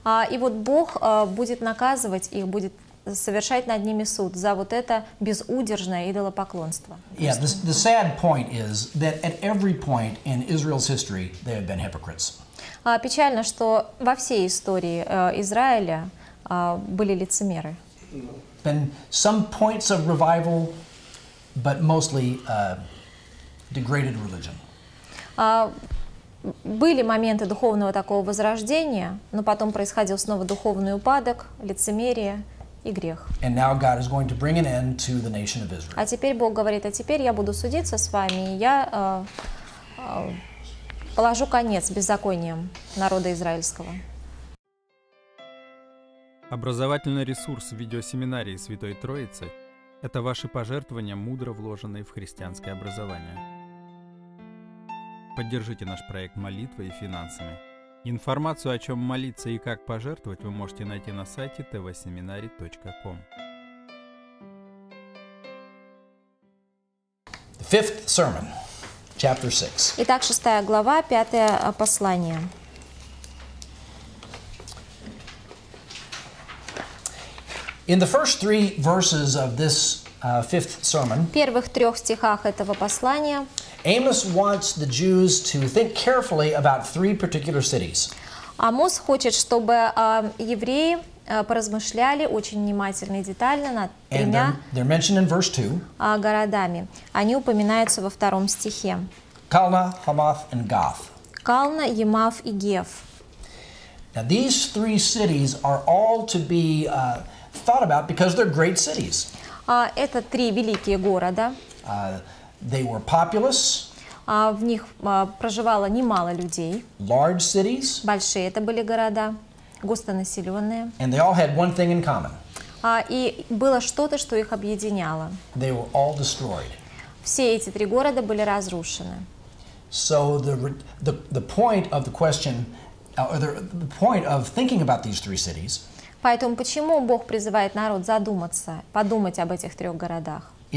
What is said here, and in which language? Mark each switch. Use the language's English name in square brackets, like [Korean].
[Russian] И вот Бог будет наказывать их, будет совершать над ними суд за вот это безудержное идолопоклонство. [English] Yeah, the sad point is that at every point in Israel's history, they have been hypocrites. [Russian] печально, что во всей истории Израиля были лицемеры. [English] Been some points of revival, but mostly degraded religion. [Russian] Были моменты духовного такого возрождения, но потом происходил снова духовный упадок, лицемерие и грех. [English] And now God is going to bring an end to the nation of Israel. [Russian] А теперь Бог говорит: а теперь я буду судиться с вами, и я положу конец беззакониям народа израильского. Образовательный ресурс видеосеминарии Святой Троицы – это ваши пожертвования, мудро вложенные в христианское образование. Поддержите наш проект молитвой и финансами. Информацию, о чем молиться и как пожертвовать, вы можете найти на сайте tvseminary.com. [English] Fifth sermon, chapter 6. [Russian] Итак, шестая глава, пятое послание. [English] In the first three verses of this fifth sermon, [Russian] в первых трех стихах этого послания, [English] Amos wants the Jews to think carefully about three particular cities. [Russian] Амос хочет, чтобы евреи поразмышляли очень внимательно и детально над тремя городами. Они упоминаются во втором стихе. [English] Calna, Hamath, and Gath. [Russian] Calna, Ямав и Геф. [English] Now these three cities are all to be thought about because they're great cities. [Russian] Это три великие города. [English] They were populous. [Russian] В них проживало немало людей. [English] Large cities. [Russian] Большие это были города, густонаселенные. [English] And they all had one thing in common. [Russian] И было что-то, что их объединяло. [English] They were all destroyed. [Russian] Все эти три города были разрушены. [English] So the point of the question, the point of thinking about these three cities. [Russian] Поэтому почему Бог призывает народ задуматься, подумать об этих трех городах?